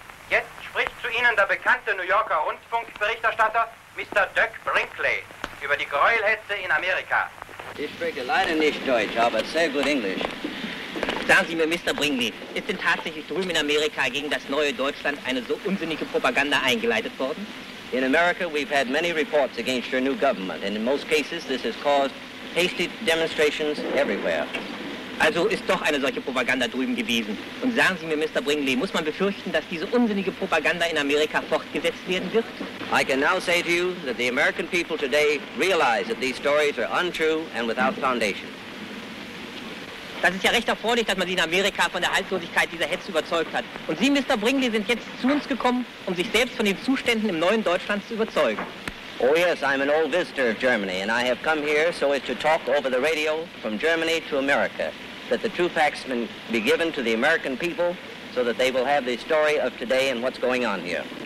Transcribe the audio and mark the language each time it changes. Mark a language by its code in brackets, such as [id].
[de] Jetzt spricht zu Ihnen der bekannte New Yorker Rundfunkberichterstatter Mr. Dirk Brinkley über die Gräuelhetze in Amerika. Ich spreche leider nicht Deutsch, aber sehr gut Englisch. Sagen Sie mir, Mr. Brinkley, ist denn tatsächlich drüben in Amerika gegen das neue Deutschland eine so unsinnige Propaganda eingeleitet worden? [en] In America, we've had many reports against your new government, and in most cases, this has caused hasty demonstrations everywhere. [de] Also ist doch eine solche Propaganda drüben gewesen. Und sagen Sie mir, Mr. Brinkley, muss man befürchten, dass diese unsinnige Propaganda in Amerika fortgesetzt werden wird? [en] I can now say to you that the American people today realize that these stories are untrue and without foundation. [de] Das ist ja recht erfreulich, dass man Sie in Amerika von der Haltlosigkeit dieser Hetze überzeugt hat. Und Sie, Mr. Brinkley, sind jetzt zu uns gekommen, um sich selbst von den Zuständen im neuen Deutschland zu überzeugen. [en] Oh yes, I'm an old visitor of Germany, and I have come here so as to talk over the radio from Germany to America, that the true facts can be given to the American people, so that they will have the story of today and what's going on here.